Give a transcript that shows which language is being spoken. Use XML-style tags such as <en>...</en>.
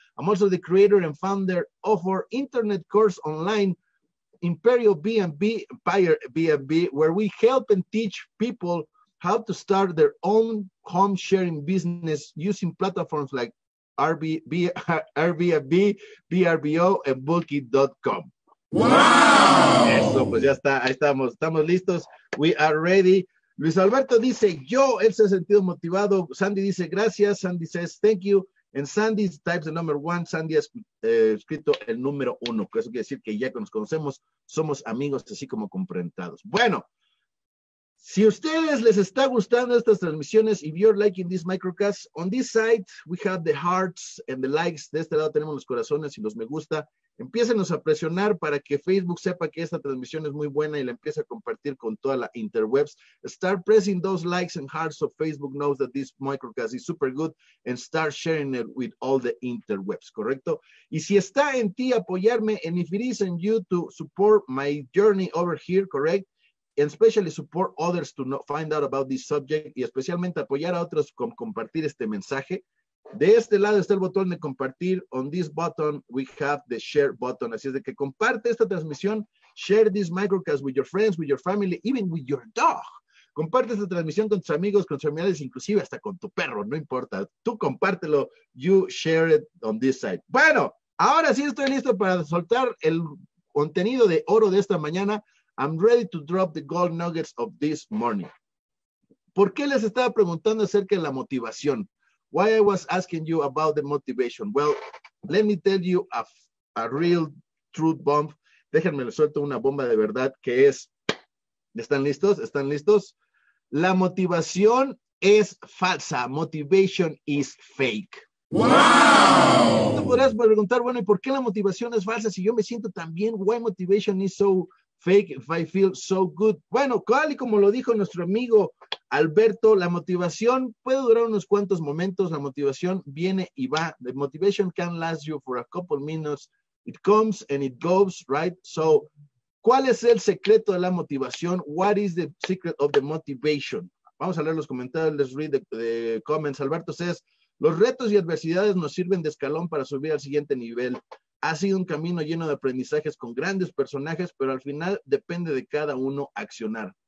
<en>I'm also the creator and founder of our internet course online, Imperial BNB, Empire BNB, where we help and teach people how to start their own home sharing business using platforms like Airbnb, VRBO, and Booking.com. ¡Wow!</en> <es>Eso, pues ya está, ahí estamos, estamos listos,</es> <en>we are ready.</en> <es>Luis Alberto dice, yo, él se ha sentido motivado. Sandy dice, gracias.</es> <en>Sandy says, thank you.</en> <es>En Sandy</es> <en>types the number one,</en> <es>Sandy ha escrito el número uno, que eso quiere decir que ya que nos conocemos, somos amigos así como comprendados. Bueno, si ustedes les está gustando estas transmisiones,</es> <en>if you're liking this microcast, on this side we have the hearts and the likes,</en> <es>de este lado tenemos los corazones y los me gusta, empiécenos a presionar para que Facebook sepa que esta transmisión es muy buena y la empiece a compartir con toda la interwebs.</es> <en>Start pressing those likes and hearts so Facebook knows that this microcast is super good and start sharing it with all the interwebs, ¿correcto?</en> <es>Y si está en ti apoyarme,</es> <en>and if it is in you to support my journey over here, ¿correct? And especially support others to know, find out about this subject</en> <es>y especialmente apoyar a otros con compartir este mensaje. De este lado está el botón de compartir.</es> <en>On this button, we have the share button.</en> <es>Así es de que comparte esta transmisión.</es> <en>Share this microcast with your friends, with your family, even with your dog.</en> <es>Comparte esta transmisión con tus amigos, con tus familiares, inclusive hasta con tu perro. No importa. Tú compártelo.</es> <en>You share it on this side.</en> <es>Bueno, ahora sí estoy listo para soltar el contenido de oro de esta mañana.</es> <en>I'm ready to drop the gold nuggets of this morning.</en> <es>¿Por qué les estaba preguntando acerca de la motivación?</es> <en>Why I was asking you about the motivation? Well, let me tell you a real truth bomb.</en> <es>Déjenme le suelto una bomba de verdad que es, ¿están listos? ¿Están listos? La motivación es falsa.</es> <en>Motivation is fake. ¡Wow!</en> <es>Tú podrás preguntar, bueno, ¿y por qué la motivación es falsa? Si yo me siento tan bien,</es> <en>why motivation is so fake if I feel so good?</en> <es>Bueno, tal y como lo dijo nuestro amigo Alberto, la motivación puede durar unos cuantos momentos, la motivación viene y va.</es> <en>The motivation can last you for a couple minutes. It comes and it goes, right? So,</en> <es>¿cuál es el secreto de la motivación?</es> <en>What is the secret of the motivation?</en> <es>Vamos a leer los comentarios,</es> <en>let's read the comments. Alberto says,</en> <es>los retos y adversidades nos sirven de escalón para subir al siguiente nivel. Ha sido un camino lleno de aprendizajes con grandes personajes, pero al final depende de cada uno accionar.</es>